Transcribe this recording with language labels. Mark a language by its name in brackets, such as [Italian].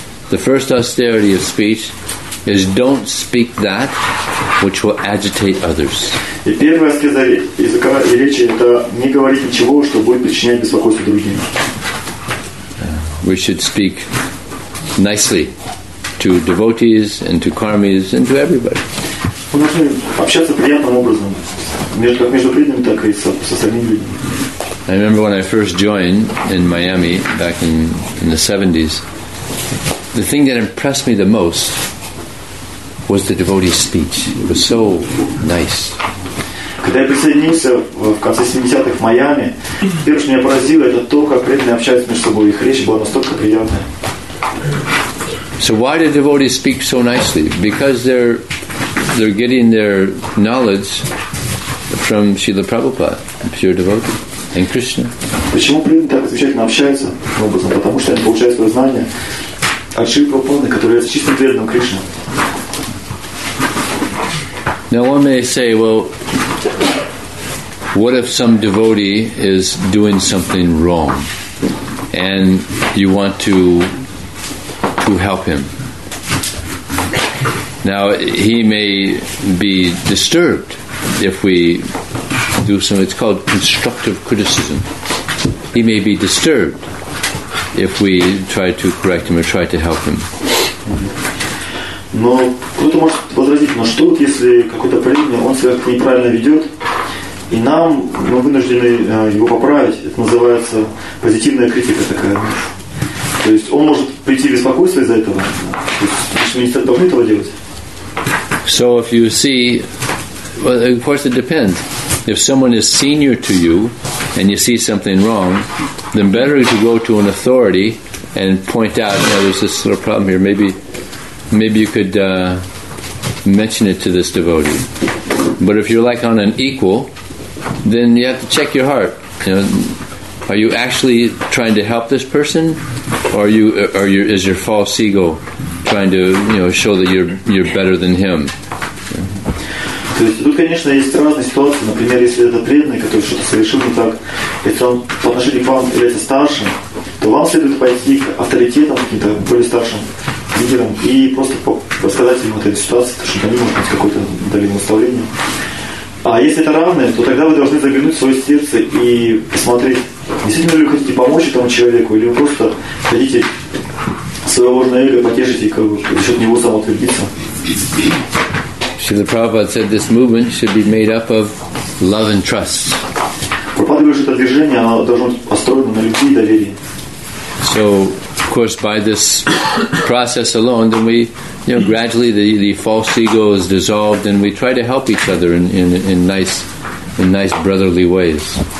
[English] The first austerity of speech is don't speak that which will agitate others. [Russian] И первая скрытая речи — это не говорить ничего, что будет причинять беспокойство другим. [English] We should speak nicely to devotees and to karmis and to everybody. [Russian] Мы должны общаться приятным образом, между преданными, так и со самими людьми. [English] I remember when I first joined in Miami back in the 70s, the thing that impressed me the most was the devotee's speech. It was so nice. [Russian] Когда я присоединился в конце 70-х в Майами, первое, что меня поразило, это то, как преданные общаются между собой. Их речь была настолько приятная. [English] So why do devotees speak so nicely? Because they're getting their knowledge from Srila Prabhupada, pure devotee. And Krishna. [Russian] Почему преданные так замечательно общаются образом? Потому что они получают свое знание от Шри Прабхупады, которое есть чистым преданным Кришне. [English] Now one may say, well, what if some devotee is doing something wrong and you want to help him? Now he may be disturbed if we do some, it's called constructive criticism. He may be disturbed if we try to correct him or try to help him. [Russian] Но кто-то может возразить, но что вот если какой-то преданный, он себя как-то неправильно ведет, и нам, мы вынуждены его поправить. Это называется позитивная критика такая. То есть он может прийти в беспокойство из-за этого. То есть мы не должны этого делать. [English] So if you see, well, of course it depends. If someone is senior to you and you see something wrong, then better to go to an authority and point out, you know, there's this little problem here. Maybe you could mention it to this devotee. But if you're like on an equal, then you have to check your heart. You know, are you actually trying to help this person, or is your false ego trying to, you know, show that you're better than him? [Russian] То есть тут, конечно, есть разные ситуации. Например, если это преданный, который что-то совершил не так, если он по отношению к вам является старшим, то вам следует пойти к авторитетам, каким-то более старшим лидерам и просто рассказать ему о этой ситуации, чтобы они, может быть, какое-то дали наставление. А если это равное, то тогда вы должны заглянуть в свое сердце и посмотреть, действительно ли вы хотите помочь этому человеку, или вы просто хотите своего рода эго потешить и как бы, за счет него самоутвердиться. [English] Srila Prabhupada said this movement should be made up of love and trust. So, of course, by this process alone, then we, you know, gradually the false ego is dissolved and we try to help each other in nice brotherly ways.